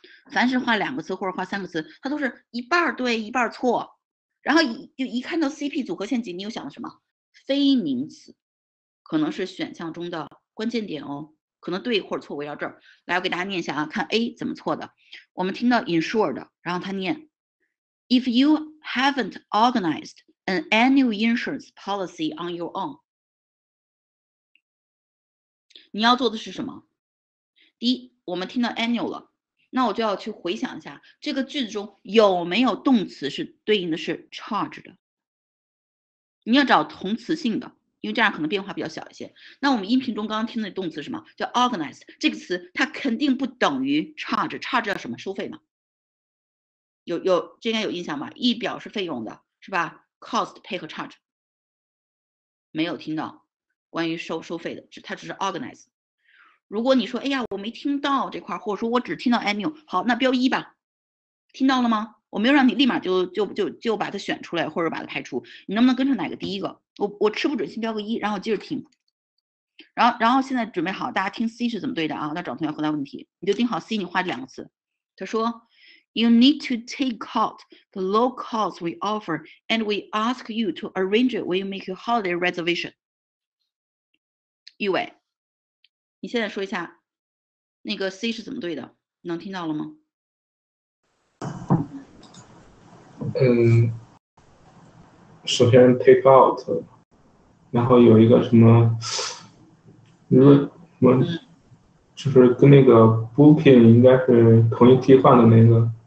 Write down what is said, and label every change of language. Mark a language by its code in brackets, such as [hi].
[zh] 凡是画两个词或者画三个词，它都是一半对一半错，然后就一看到 CP 组合陷阱，你又想到什么非名词，可能是选项中的关键点哦，可能对或者错围绕这儿。来，我给大家念一下啊，看 A 怎么错的。我们听到 insured， 然后他念 ， [en] If you haven't organized an annual insurance policy on your own， [zh] 你要做的是什么？第一，我们听到 annual 了。那我就要去回想一下这个句子中有没有动词是对应的是 charge 的，你要找同词性的，因为这样可能变化比较小一些。那我们音频中刚刚听的动词什么叫 organized， 这个词它肯定不等于 charge， charge 叫什么，收费吗？有这应该有印象吧，一表是费用的是吧， cost 配合 charge， 没有听到关于收费的，它只是 organized。如果你说哎呀我没听到这块，或者说我只听到 annual， 好，那标一吧，听到了吗？我没有让你立马就把它选出来或者把它排除，你能不能跟上哪个第一个，我吃不准先标个一，然后接着听。然后现在准备好大家听 C 是怎么对的啊，那找同学回答问题，你就听好 C， 你画这两个词，他说 [en] You need to take out the low cost we offer and we ask you to arrange it when you make your holiday reservation。 [zh] 意味你现在说一下那个 C 是怎么对的，能听到了吗？首先 take out， 然后有一个什么，你说什么，就是跟那个 booking 应该是同一替换的那个，